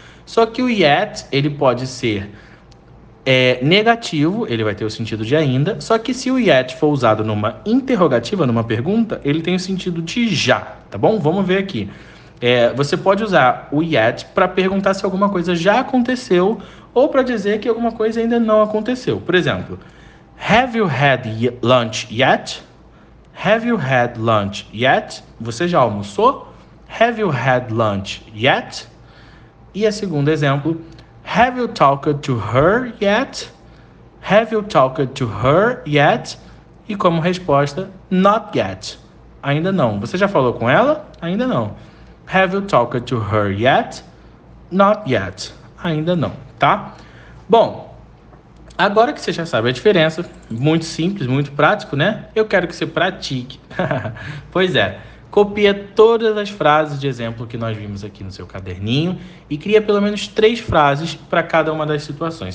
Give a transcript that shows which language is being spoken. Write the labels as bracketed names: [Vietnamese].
[Portuguese] Só que o yet, ele pode ser negativo, ele vai ter o sentido de ainda. Só que se o yet for usado numa interrogativa, numa pergunta, ele tem o sentido de já, tá bom? Vamos ver aqui. Você pode usar o yet para perguntar se alguma coisa já aconteceu ou para dizer que alguma coisa ainda não aconteceu. Por exemplo, [English] Have you had lunch yet? Have you had lunch yet? [Portuguese] Você já almoçou? [English] Have you had lunch yet? [Portuguese] E a segundo exemplo, [English] Have you talked to her yet? Have you talked to her yet? [Portuguese] E como resposta, [English] not yet. [Portuguese] Ainda não. Você já falou com ela? Ainda não. [English] Have you talked to her yet? Not yet. [Portuguese] Ainda não, tá? Bom, agora que você já sabe a diferença, muito simples, muito prático, né? Eu quero que você pratique. Pois é. Copia todas as frases de exemplo que nós vimos aqui no seu caderninho e cria pelo menos três frases para cada uma das situações.